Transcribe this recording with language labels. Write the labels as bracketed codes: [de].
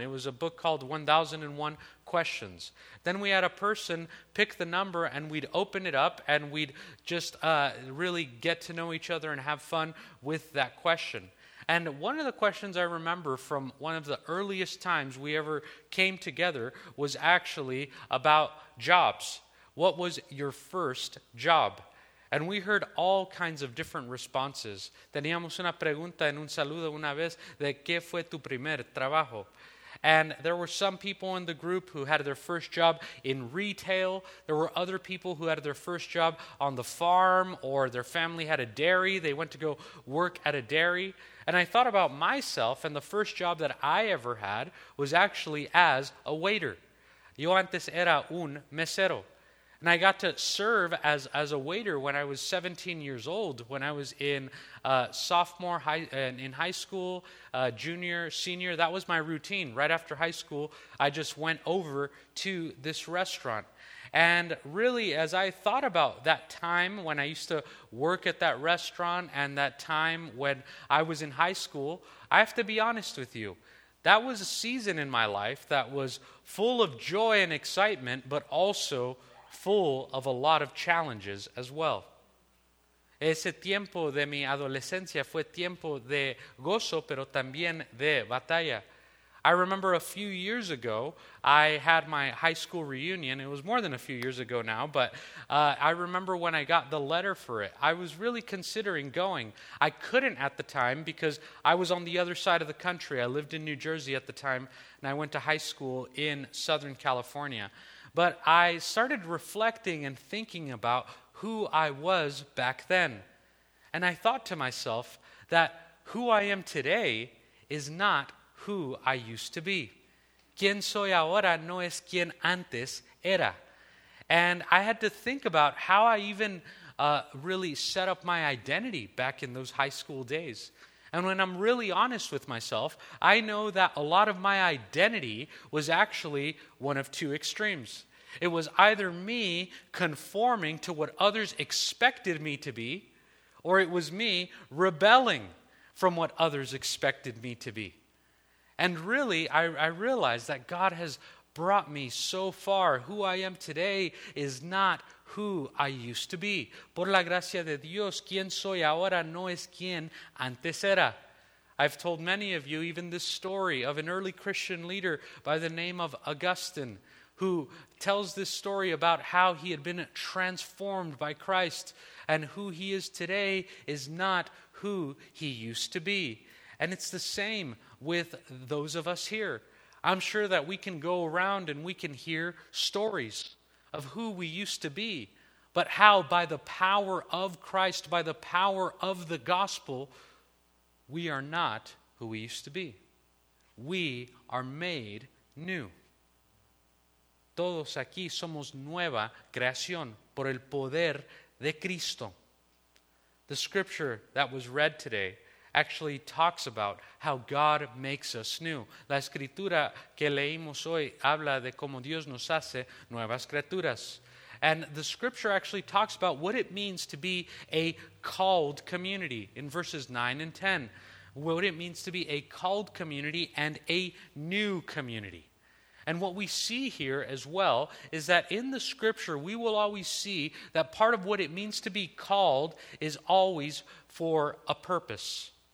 [en] It was a book called 1001 Questions. Then we had a person pick the number and we'd open it up and we'd just really get to know each other and have fun with that question. And one of the questions I remember from one of the earliest times we ever came together was actually about jobs. What was your first job? And we heard all kinds of different responses. [es] Teníamos una pregunta en un saludo una vez de ¿qué fue tu primer trabajo? [en] And there were some people in the group who had their first job in retail. There were other people who had their first job on the farm or their family had a dairy. They went to go work at a dairy. And I thought about myself, and the first job that I ever had was actually as a waiter. [es] Yo antes era un mesero. [en] And I got to serve as a waiter when I was 17 years old, when I was in junior, senior. That was my routine. Right after high school, I just went over to this restaurant. And really, as I thought about that time when I used to work at that restaurant and that time when I was in high school, I have to be honest with you. That was a season in my life that was full of joy and excitement, but also full of a lot of challenges as well. [es] Ese tiempo de mi adolescencia fue tiempo de gozo, pero también de batalla. [en] I remember a few years ago, I had my high school reunion. It was more than a few years ago now, but I remember when I got the letter for it. I was really considering going. I couldn't at the time because I was on the other side of the country. I lived in New Jersey at the time, and I went to high school in Southern California. But I started reflecting and thinking about who I was back then. And I thought to myself that who I am today is not who I used to be. [es] Quien soy ahora no es quien antes era. [en] And I had to think about how I even really set up my identity back in those high school days. And when I'm really honest with myself, I know that a lot of my identity was actually one of two extremes. It was either me conforming to what others expected me to be, or it was me rebelling from what others expected me to be. And really, I realize that God has brought me so far. Who I am today is not who I used to be. [es] Por la gracia de Dios, quien soy ahora no es quien antes era. [en] I've told many of you even this story of an early Christian leader by the name of Augustine, who tells this story about how he had been transformed by Christ, and who he is today is not who he used to be. And it's the same with those of us here. I'm sure that we can go around and we can hear stories of who we used to be, but how by the power of Christ, by the power of the gospel, we are not who we used to be. We are made new. [es] Todos aquí somos nueva creación por el poder de Cristo. [en] The scripture that was read today actually talks about how God makes us new. [es] La escritura que leímos hoy habla de cómo Dios nos hace nuevas criaturas. [en] And the scripture actually talks about what it means to be a called community in verses 9 and 10. What it means to be a called community and a new community. And what we see here as well is that in the scripture, we will always see that part of what it means to be called is always for a purpose.